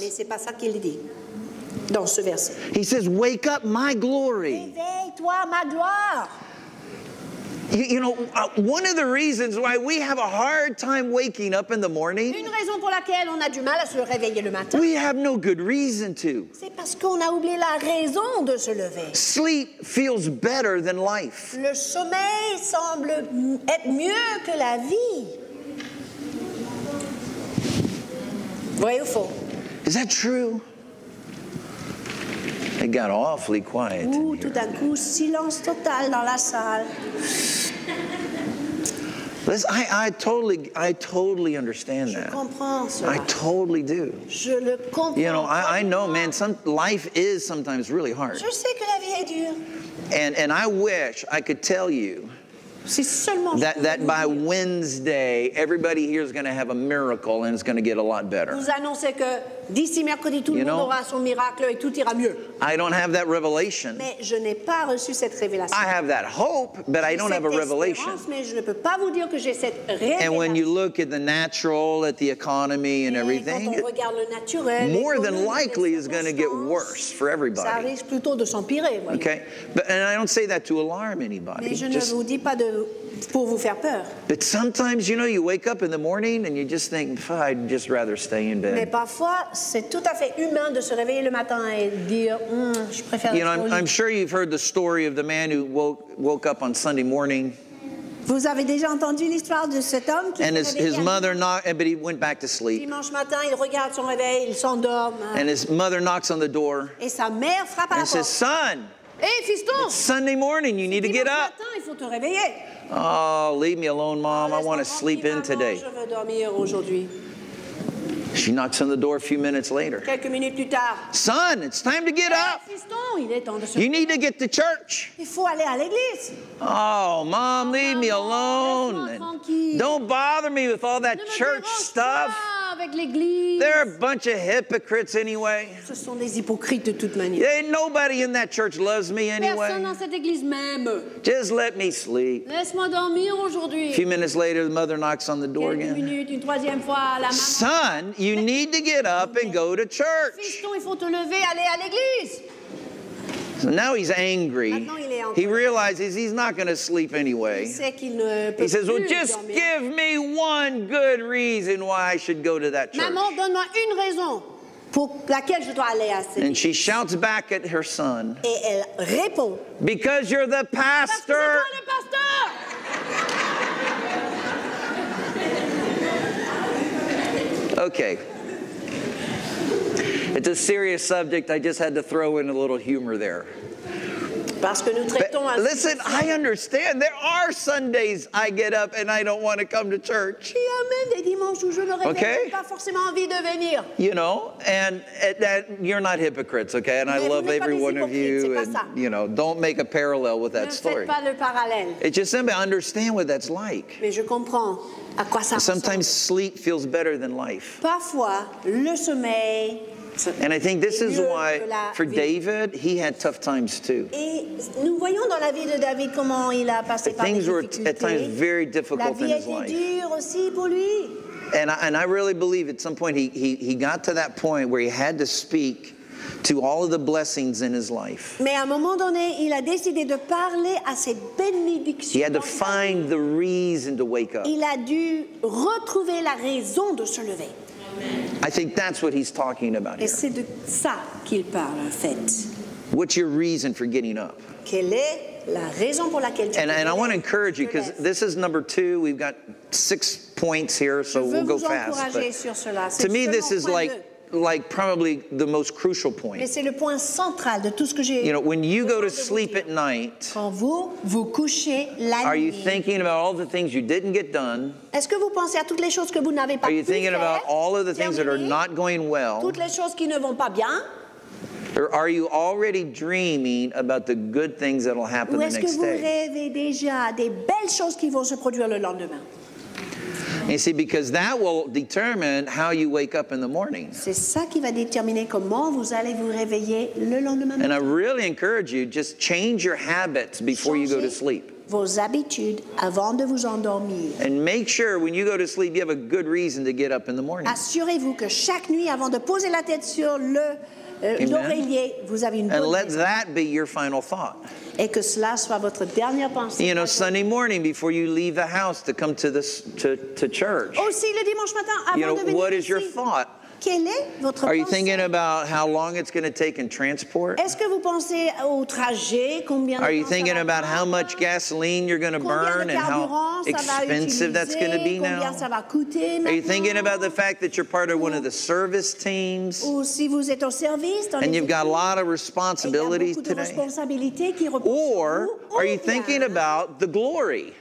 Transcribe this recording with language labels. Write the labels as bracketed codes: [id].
[fr] Mais c'est pas ça qu'il dit dans ce verset. [en] He says, wake up my glory. [fr] Réveille-toi ma gloire. [en] You know, one of the reasons why we have a hard time waking up in the morning. [fr] Une raison pour laquelle on a du mal à se réveiller le matin. [en] We have no good reason to. [fr] C'est parce qu'on a oublié la raison de se lever. [en] Sleep feels better than life. [fr] Le sommeil semble être mieux que la vie. [en] Is that true? It got awfully quiet. [fr] Ooh, tout d'un coup, silence total dans la salle. [en] Listen, I totally understand that. [fr] Je comprends cela. [en] I totally do. [fr] Je le comprends. [en] You know, I know, man, life is sometimes really hard. [fr] Je sais que la vie est dure. [en] And I wish I could tell you that by Wednesday, everybody here is going to have a miracle and it's going to get a lot better. [fr] Vous annoncez que d'ici mercredi tout le monde aura son miracle et tout ira mieux. [en] I don't have that revelation. [fr] Mais je n'ai pas reçu cette révélation. [en] I have that hope, but I don't have a revelation. [fr] Mais je ne peux pas vous dire que j'ai cette révélation. [en] And when you look at the natural, at the economy and everything, [fr] quand on regarde le naturel, [en] more than likely is going to get worse for everybody. [fr] Ça risque plutôt de s'empirer. [en] Okay, but and I don't say that to alarm anybody. [fr] Mais je ne vous dis pas de pour vous faire peur. [en] But sometimes, you know, you wake up in the morning and you just think, I'd just rather stay in bed. [fr] Mais parfois, c'est tout à fait humain de se réveiller le matin et dire, je préfère. [en] You know, I'm sure you've heard the story of the man who woke up on Sunday morning. [fr] Vous avez déjà entendu l'histoire de cet homme qui [en] and his mother knocked, but he went back to sleep. [fr] Dimanche matin, il regarde son réveil, il s'endort. [en] And his mother knocks on the door. [fr] Et sa mère frappe à la porte. [en] And says, son. [fr] Hey, fiston. [en] It's Sunday morning. You need to get up. [fr] Dimanche matin, il faut te réveiller. [en] Oh, leave me alone, Mom. I want to sleep in today. [fr] Je veux dormir aujourd'hui. [en] She knocks on the door a few minutes later. [fr] Quelques minutes plus tard. [en] Son, it's time to get up. [fr] Fiston, il est temps de se [en] you need to get to church. [fr] Il faut aller à l'église. [en] Oh, Mom, leave me alone. Don't bother me with all that church stuff. [fr] Avec l'église. [en] They're a bunch of hypocrites anyway. [fr] Ce sont des hypocrites de toute manière. [en] Ain't nobody in that church loves me anyway. [fr] Personne dans cette église m'aime. [en] Just let me sleep. [fr] Laisse-moi dormir aujourd'hui. [en] A few minutes later, the mother knocks on the door again. [fr] Minutes, une troisième fois, la maman. [en] Son, you need to get up and go to church. [fr] Fiston, il faut te lever, aller à l'église. [en] So now he's angry. He realizes he's not going to sleep anyway. He says, well, just give me one good reason why I should go to that church. [fr] Maman, donne-moi une raison pour laquelle je dois aller à cette. [en] And she shouts back at her son. [fr] Et elle répond, [en] because you're the pastor. [fr] Parce que c'est toi le pasteur. [en] Okay. It's a serious subject. I just had to throw in a little humor there. [fr] Parce que nous traitons [en] but, listen, I understand. There are Sundays I get up and I don't want to come to church. [fr] Il y a même des dimanches où je n'aurais pas forcément envie de venir. [en] You know, and that, you're not hypocrites, okay? And [fr] mais [en] I love every one of you. And, you know, don't make a parallel with that [fr] ne [en] story. [fr] Pas le parallèle. [en] It just simply understand what that's like. [fr] Mais je comprends à quoi ça [en] sometimes Sleep feels better than life. [fr] Parfois, le sommeil. [en] And I think this is why, for David, he had tough times too. [fr] Et nous voyons dans la vie de David comment il a passé par des [en] things were at times very difficult [fr] la vie [en] in his life. [fr] Dure aussi pour lui. [en] And I really believe at some point he got to that point where he had to speak to all of the blessings in his life. [fr] Mais à un moment donné, il a décidé de parler à ses bénédictions. [en] He had to find the reason to wake up. [fr] Il a dû retrouver la raison de se lever. [en] I think that's what he's talking about here. [fr] Et c'est de ça qu'il parle, en fait. [en] What's your reason for getting up? [fr] Quelle est la raison pour laquelle tu te lèves? [en] And I want to encourage you, because this is number two. We've got 6 points here, so we'll go fast. [fr] Je veux vous encourager sur cela. [en] To me, this is like probably the most crucial point. [fr] Mais c'est le point central de tout ce que j'ai. [en] You know, when you go to sleep at night, [fr] quand vous vous couchez la nuit, [en] are you thinking about all the things you didn't get done? [fr] Est-ce que vous pensez à toutes les choses que vous n'avez pas faites? [en] Are you thinking about all of the things that are not going well? [fr] Toutes les choses qui ne vont pas bien? [en] Or are you already dreaming about the good things that will happen the next day? [fr] Ou est-ce que vous rêvez déjà des belles choses qui vont se produire le lendemain? [en] You see, because that will determine how you wake up in the morning. [fr] C'est ça qui va déterminer comment vous allez vous réveiller le lendemain matin. [en] And I really encourage you, just change your habits before [fr] changez [en] you go to sleep. [fr] Vos habitudes avant de vous endormir. [en] And make sure when you go to sleep, you have a good reason to get up in the morning. [fr] Assurez-vous que chaque nuit, avant de poser la tête sur le l'oreiller, vous avez une bonne [en] and let [fr] raison. [en] That be your final thought. [fr] Et que cela soit votre dernière pensée. [en] You know, Sunday morning before you leave the house to come to this to church. [fr] Aussi le dimanche matin avant [en] you know, [fr] de venir [en] what [fr] ici, [en] is your thought? [fr] Quelle est votre [en] are [fr] pensée? [en] You thinking about how long it's going to take in transport? [fr] Est-ce que vous pensez au trajet, combien [en] are you thinking about how much gasoline you're going to burn and how expensive that's going to be now? [fr] Ça va coûter maintenant? [en] Are you thinking about the fact that you're part of one of the service teams? [fr] Ou si vous êtes au service dans [en] and you've [fr] équipes, [en] got a lot of responsibilities [fr] et y a beaucoup [en] today? [fr] De responsabilités qui reposent [en] or are you thinking about the glory?